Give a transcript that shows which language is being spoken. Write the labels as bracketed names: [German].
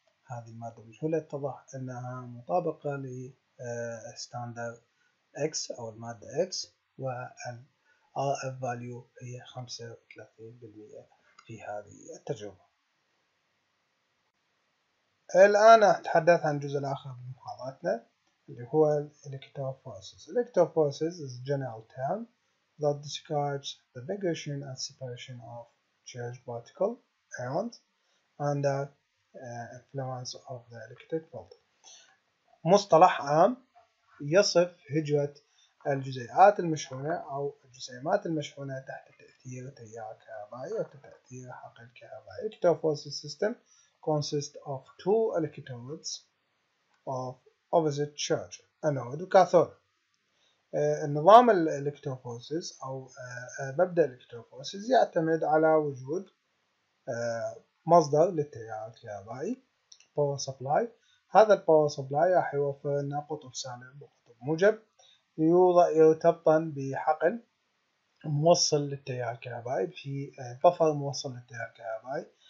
[Arabic] هذه المادة المجهولة اتضح أنها مطابقة لستاندر X أو المادة X، والـ RF value هي 35% في هذه التجربة. الآن أتحدث عن الجزء الآخر من محاضرتنا اللي هو الإلكتروفوريسيس. [English] الإلكتروفوريسيس is a general term that describes the migration and separation of charged particle ions under influence of the electric field. [Arabic] مصطلح عام يصف هجرة الجزيئات المشحونة أو الجسيمات المشحونة تحت تأثير تيار كهربائي أو تأثير حقل كهربائي. [English] Electrophoresis system consists of two electrodes of opposite charge, anode cathode. [Arabic] النظام الإلكتروفوريسيس أو مبدأ الإلكتروفوريسيس يعتمد على وجود مصدر للتيار الكهربائي power supply. هذا power supply راح يوفر لنا قطب سالب وقطب موجب ليوضع يرتبطن بحقل موصل للتيار الكهربائي في بفر موصل للتيار الكهربائي.